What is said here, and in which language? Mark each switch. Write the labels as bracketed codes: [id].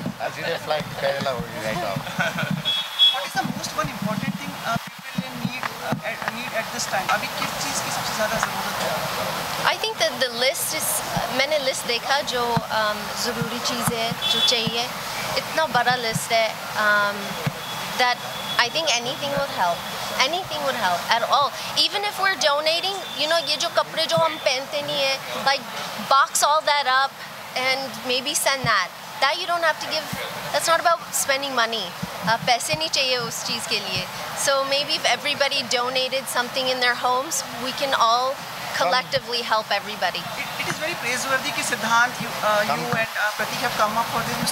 [en] I'll see the flight to Kerala right now. What is the most one important thing people need at this time? [hi] Abhi kis cheez ki sabse zyada zarurat hai? [en] I think that the list is, [hi] मैंने list देखा जो ज़रूरी चीज़ है, जो चाहिए. Itna bada list hai [en] that I think anything would help. Anything would help at all. Even if we're donating, you know, [hi] ye jo kapde jo hum pehnte nahi hai, [en] like box all that up. And maybe send that you don't have to give. That's not about spending money. [hi] पैसे नहीं चाहिए उस चीज़ के लिए. [en] So maybe if everybody donated something in their homes, we can all collectively help everybody. It is very praiseworthy ki Siddhant, you and Pratik have come up for this.